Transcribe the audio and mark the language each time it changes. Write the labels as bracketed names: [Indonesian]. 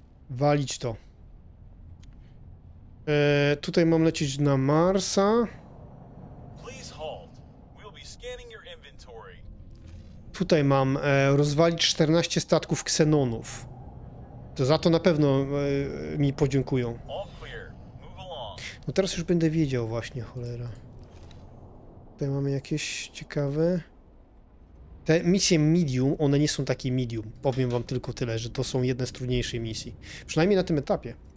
[Polish] Walić to. Tutaj mam lecieć na Marsa. [English] Please hold. We'll be scanning your inventory. [Polish] Tutaj mam rozwalić 14 statków ksenonów. To za to na pewno mi podziękują. [English] All clear. Move along. [Polish] No teraz już będę wiedział właśnie, cholera. Tutaj mamy jakieś ciekawe. Te misje medium, one nie są takie medium. Powiem wam tylko tyle, że to są jedne z trudniejszych misji. Przynajmniej na tym etapie.